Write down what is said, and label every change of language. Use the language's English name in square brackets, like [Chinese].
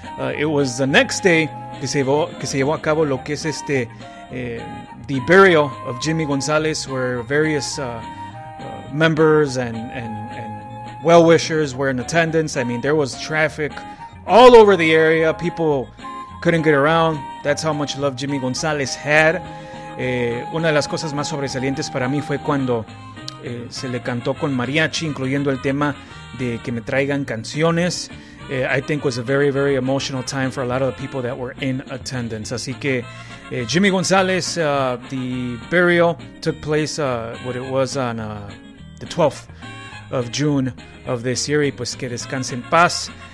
[English] It was the next day [Spanish] que se llevó a cabo lo que es este [English] the burial of Jimmy Gonzalez, where various members and well-wishers were in attendance. I mean, there was traffic all over the area. People couldn't get around. That's how much love Jimmy Gonzalez had. [Spanish] Una de las cosas más sobresalientes para mí fue cuando se le cantó con mariachi, incluyendo el tema de que me traigan canciones. [English] I think was a very, very emotional time for a lot of the people that were in attendance. [Spanish] Así que [English] Jimmy Gonzalez, the burial took place the 12th of June of this year. [Spanish] Y pues que descanse en paz.